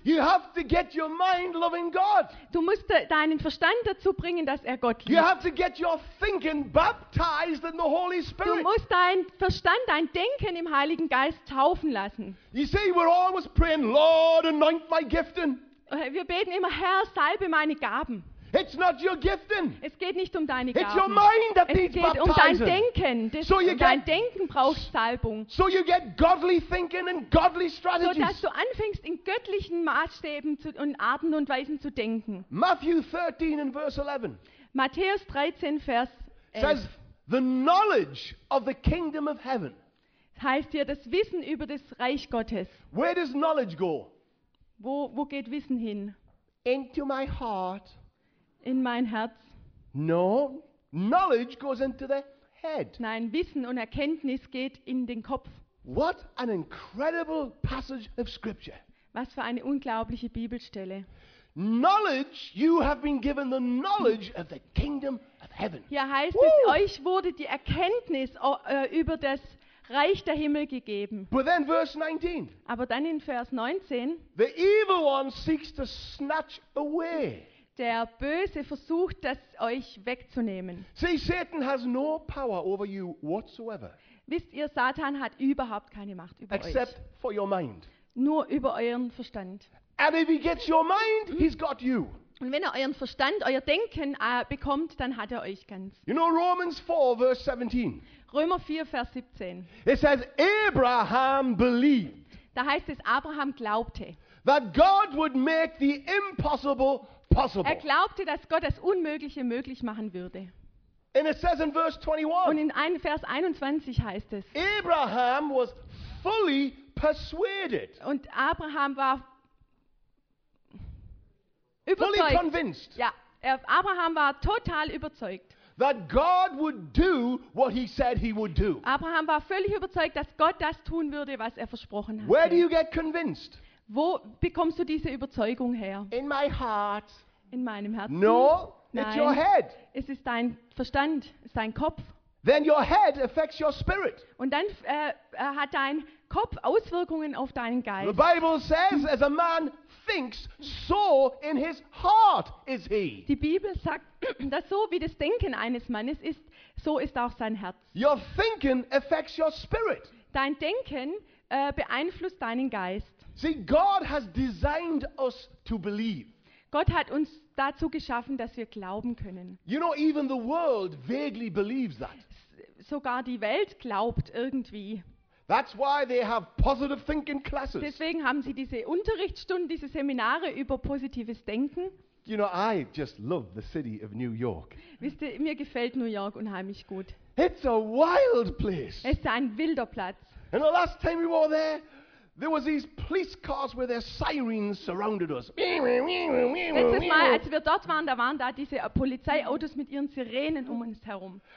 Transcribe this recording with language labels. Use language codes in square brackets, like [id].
[en] You have to get your mind loving God. [de] Du musst deinen Verstand dazu bringen, dass er Gott liebt. [en] You have to get your thinking baptized in the Holy Spirit. [de] Du musst dein Verstand, dein Denken im Heiligen Geist taufen lassen. [en] You see, we're always praying, Lord, anoint my gifting. [de] Wir beten immer, Herr, salbe meine Gaben. [en] It's not your gifting. [de] Es geht nicht um deine Gaben. [en] It's your mind that [de] es geht [en] needs baptizing. [de] Um dein Denken. Dein Denken braucht Salbung. [en] So you get godly thinking and godly strategies. [de] So dass du anfängst, in göttlichen Maßstäben und Arten und Weisen zu denken. [en] Matthew 13 and verse 11. [de] Matthäus 13, Vers 11. [en] Says, the knowledge of the kingdom of heaven. [de] Heißt hier, das Wissen über das Reich Gottes. [en] Where does knowledge go? [de] Wo geht Wissen hin? [en] Into my heart. [de] In mein Herz. [en] No, knowledge goes into the head. [de] Nein, Wissen und Erkenntnis geht in den Kopf. [en] What an incredible passage of scripture. [de] Was für eine unglaubliche Bibelstelle. [en] Knowledge, you have been given the knowledge of the kingdom of heaven. [de] Hier heißt Woo! Es, euch wurde die Erkenntnis über das Reich der Himmel gegeben. [en] But then verse 19. [de] Aber dann in Vers 19. [en] The evil one seeks to snatch away. [de] Der Böse versucht, das euch wegzunehmen. [en] See, Satan has no power over you whatsoever. [de] Wisst ihr, Satan hat überhaupt keine Macht über [en] Except [de] euch. [en] For your mind. [de] Nur über euren Verstand. [en] And if he gets your mind, he's got you. [de] Und wenn er euren Verstand, euer Denken bekommt, dann hat er euch ganz. [en] You know Romans 4, verse 17. [de] Römer 4, Vers 17. [en] It says, Abraham believed. [de] Da heißt es, Abraham glaubte. [en] That God would make the impossible possible. [de] Er glaubte, dass Gott das Unmögliche möglich machen würde. [en] And it says in verse 21. [de] Und in Vers 21 heißt es. [en] Abraham was fully persuaded. [de] Und Abraham war überzeugt. [en] Fully convinced. [de] Ja, Abraham war total überzeugt. [en] That God would do what he said he would do. [de] Abraham war völlig überzeugt, dass Gott das tun würde, was er versprochen hat. [en] Where do you get convinced? [de] Wo bekommst du diese Überzeugung her? [en] In my heart. [de] In meinem Herzen. [en] No, [de] Nein. [en] It's your head. [de] Es ist dein Verstand, es ist dein Kopf. [en] Then your head affects your spirit. [de] Und dann hat dein Kopf Auswirkungen auf deinen Geist. [en] The Bible says, as a man thinks, so in his heart is he. [de] Die Bibel sagt, dass so wie das Denken eines Mannes ist, so ist auch sein Herz. [en] Your thinking affects your spirit. [de] Dein Denken beeinflusst deinen Geist. [en] See, God has designed us to believe. [de] Gott hat uns dazu geschaffen, dass wir glauben können. [en] You know, even the world vaguely believes that. [de] Sogar die Welt glaubt irgendwie. [en] That's why they have positive thinking classes. [de] Deswegen haben sie diese Unterrichtsstunden, diese Seminare über positives Denken. [en] You know, I just love the city of New York. [de] Wisst ihr, mir gefällt New York unheimlich gut. [en] It's a wild place. [de] Es ist ein wilder Platz. [en] And the last time we were there, there was these police cars with their sirens surrounded us. [de] Letztes Mal, als wir dort waren, da waren da diese Polizeiautos mit ihren Sirenen um uns herum.